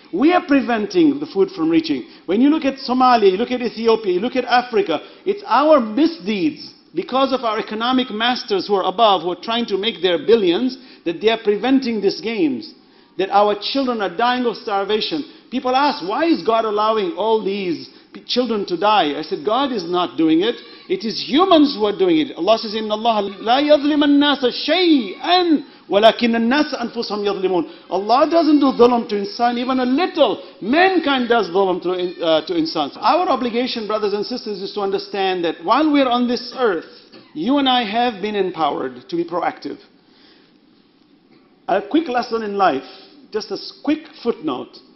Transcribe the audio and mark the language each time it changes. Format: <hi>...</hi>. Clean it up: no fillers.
<en>We are preventing the food from reaching. When you look at Somalia, you look at Ethiopia, you look at Africa, it's our misdeeds, because of our economic masters who are above, who are trying to make their billions, that they are preventing these games. That our children are dying of starvation. People ask, why is God allowing all these children to die? I said, God is not doing it. It is humans who are doing it. Allah says,</en> <ar>إِنَّ اللَّهَ لَا يَظْلِمَ النَّاسَ شَيْئًا وَلَكِنَّ النَّاسَ أَنفُسَهُمْ يَظْلِمُونَ.</ar> <en>Allah doesn't do dhulam to insan, even a little. Mankind does dhulam to insan. Our obligation, brothers and sisters, is to understand that while we're on this earth, you and I have been empowered to be proactive. A quick lesson in life, just a quick footnote.</en>